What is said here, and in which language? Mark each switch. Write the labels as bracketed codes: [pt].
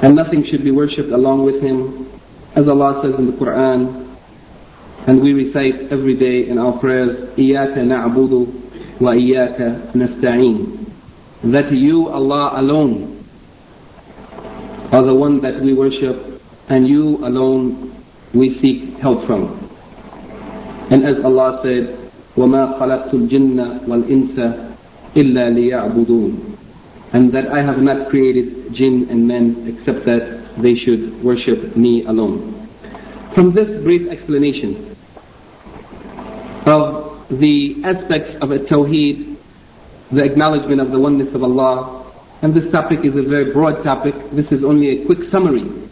[en] And nothing should be worshipped along with Him, as Allah says in the Quran, and we recite every day in our prayers, [ar] إِيَّاكَ نَعْبُدُ وَإِيَّاكَ نَسْتَعِينَ. [en] That You, Allah alone, are the one that we worship, and You alone we seek help from. And as Allah said, [ar] وَمَا خَلَقْتُ الْجِنَّ وَالْإِنسَ إِلَّا لِيَعْبُدُونَ. [en] And that I have not created jinn and men except that they should worship Me alone. From this brief explanation of the aspects of a tawheed, the acknowledgement of the oneness of Allah, and this topic is a very broad topic, this is only a quick summary.